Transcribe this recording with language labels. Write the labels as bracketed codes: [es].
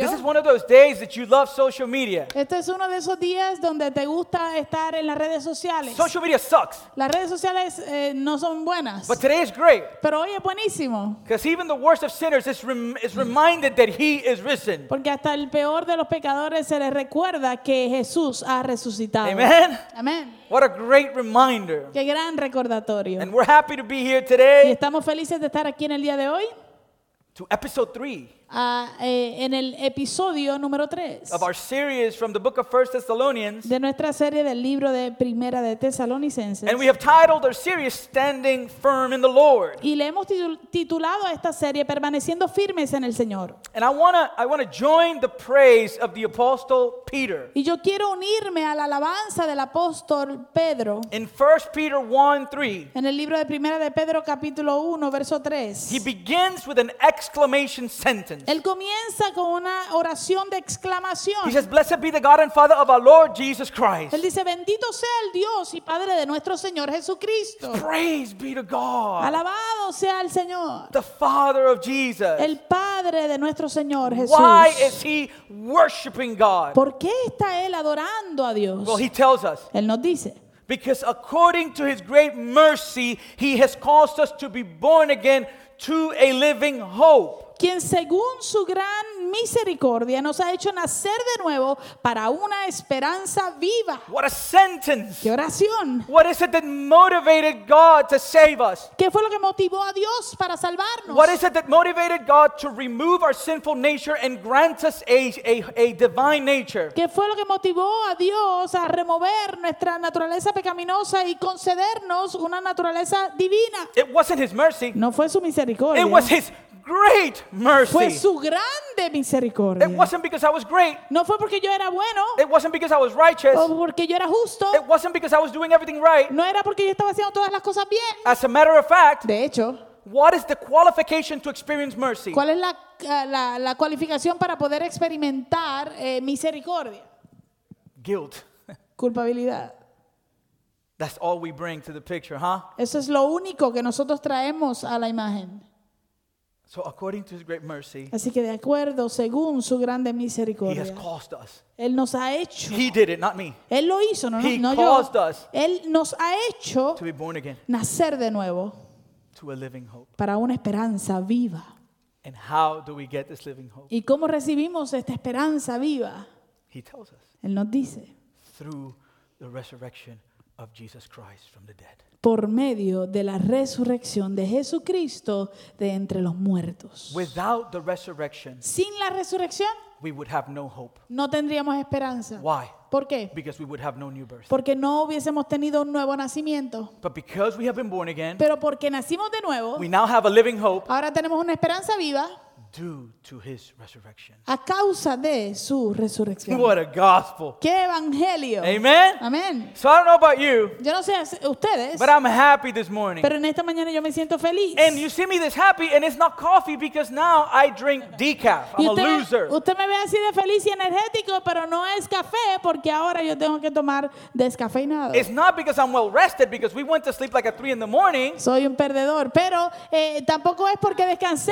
[en] This is one of those days that you love social media. [es] Este es uno de esos días donde te gusta estar en las redes sociales. [en] Social media sucks. [es] Las redes sociales no son buenas. [en] But today is great. [es] Pero hoy es buenísimo. [en] Because even the worst of sinners is reminded that he is risen. [es] Porque hasta el peor de los pecadores se les recuerda que Jesús ha resucitado. [en] Amen. [es] Amen. [en] What a great reminder. [es] Qué gran recordatorio. [en] And we're happy to be here today. [es] Y estamos felices de estar aquí en el día de hoy. [en] To episode 3. [es] En el episodio número 3. [en] Of our series from the book of 1 Thessalonians. [es] De nuestra serie del libro de Primera de Tesalonicenses. [en] And we have titled our series Standing Firm in the Lord. [es] Y le hemos titulado a esta serie Permaneciendo firmes en el Señor. [en] And I want to join the praise of the apostle Peter. [es] Y yo quiero unirme a la alabanza del apóstol Pedro. [en] In 1 Peter 1:3. [es] En el libro de Primera de Pedro capítulo 1 verso 3. [en] He begins with an exclamation sentence. [es] Él comienza con una oración de exclamación. [en] He says, "Blessed be the God and Father of our Lord Jesus Christ." [es] Él dice, "Bendito sea el Dios y Padre de nuestro Señor Jesucristo." [en] Praise be to God. [es] Alabado sea el Señor. [en] The Father of Jesus. [es] El Padre de nuestro Señor Jesús. [en] Why is he worshiping God? [es] ¿Por qué está él adorando a Dios? [en] Well, he tells us. [es] Él nos dice. [en] Because according to his great mercy, he has caused us to be born again to a living hope. [es] Quien según su gran misericordia nos ha hecho nacer de nuevo para una esperanza viva. [en] What a sentence. [es] ¡Qué oración! [en] What is it that motivated God to save us? [es] ¿Qué fue lo que motivó a Dios para salvarnos? [en] What is it that motivated God to remove our sinful nature and grant us a divine nature? [es] ¿Qué fue lo que motivó a Dios a remover nuestra naturaleza pecaminosa y concedernos una naturaleza divina? [en] It wasn't his mercy. [es] No fue su misericordia. [en] It was his great mercy. [es] Fue su grande misericordia. [en] It wasn't because I was great. [es] No fue porque yo era bueno. [en] It wasn't because I was righteous. [es] O porque yo era justo. [en] It wasn't because I was doing everything right. [es] No era porque yo estaba haciendo todas las cosas bien. [en] As a matter of fact, [es] de hecho, [en] what is the qualification to experience mercy? [es] ¿Cuál es la cualificación para poder experimentar misericordia? [en] Guilt. [es] Culpabilidad. [en] That's all we bring to the picture, huh? [es] Eso es lo único que nosotros traemos a la imagen. [en] So according to his great mercy. [es] Así que de acuerdo según su grande misericordia. [en] He has caused us. [es] Él nos ha hecho. [en] He did it, not me. [es] Él lo hizo, no, [en] he [es] no [en] caused [es] yo. [en] Us [es] él nos ha hecho [en] to be born again. [es] Nacer de nuevo. [en] To a living hope. [es] Para una esperanza viva. [en] And how do we get this living hope? [es] ¿Y cómo recibimos esta esperanza viva? [en] He tells us. [es] Él nos dice. [en] Through the resurrection of Jesus Christ from the dead. [es] Por medio de la resurrección de Jesucristo de entre los muertos. [en] Without the resurrection, [es] sin la resurrección, [en] we would have no hope. [es] No tendríamos esperanza. [en] Why? [es] ¿Por qué? [en] Because we would have no new birth. [es] Porque no hubiésemos tenido un nuevo nacimiento. [en] But because we have been born again, [es] pero porque nacimos de nuevo, [en] we now have a living hope. [es] Ahora tenemos una esperanza viva. [en] Due to his resurrection. [es] A causa de su resurrección. [en] What a gospel. [es] Qué evangelio. [en] Amen. [es] Amen. [en] So I don't know about you. [es] Yo no sé ustedes. [en] But I'm happy this morning. [es] Pero en esta mañana yo me siento feliz. [en] And you see me this happy, and it's not coffee because now I drink decaf. I'm [es] usted, [en] a loser. [es] Usted me ve así de feliz y energético, pero no es café porque ahora yo tengo que tomar descafeinado. [en] It's not because I'm well rested because we went to sleep like at 3 in the morning. [es] Soy un perdedor, pero tampoco es porque descansé.